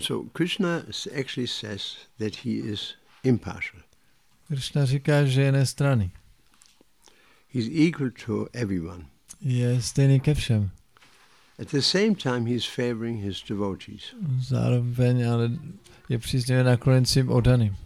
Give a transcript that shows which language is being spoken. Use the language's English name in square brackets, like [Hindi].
[English] So Krishna actually says that he is impartial. [Czech] Krishna říká, že je nestranný. [English] He's equal to everyone. [Czech] Je stejný ke všem. [English] At the same time, he's favoring his devotees. [Czech] Zároveň ale je příznivý nakonec svým oddaným.